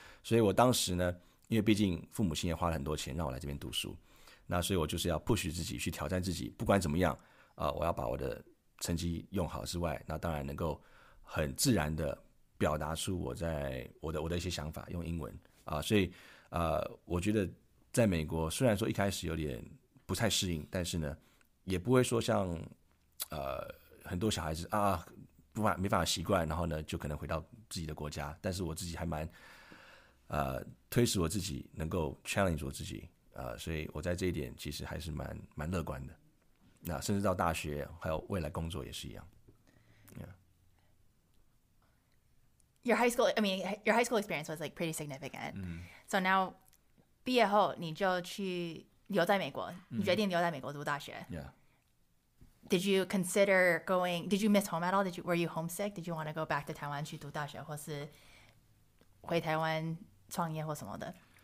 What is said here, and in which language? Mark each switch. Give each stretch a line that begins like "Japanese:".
Chinese: 所以我当时呢，因为毕竟父母亲也花了很多钱让我来这边读书，那所以我就是要 push 自己去挑战自己，不管怎么样我要把我的成绩用好之外，那当然能够很自然的表达出我的一些想法用英文所以我觉得在美国虽然说一开始有点不太适应，但是呢也不会说像很多小孩子没办法习惯，然后呢就可能回到自己的国家。但是我自己还蛮推使我自己能够 challenge 我自己所以我在这一点其实还是蛮乐观的。那甚至到大学还有未来工作也是一样。
English: Your high school, I mean, your high school experience was like pretty significant. So now,
Chinese: 毕业后你就去留在美国，你决定留在美国读大学。
English: Did you consider going? Did you miss home at all? Were you homesick? Did you want to go back to Taiwan to
Chinese: 读大学，或是回台湾创业或什么的？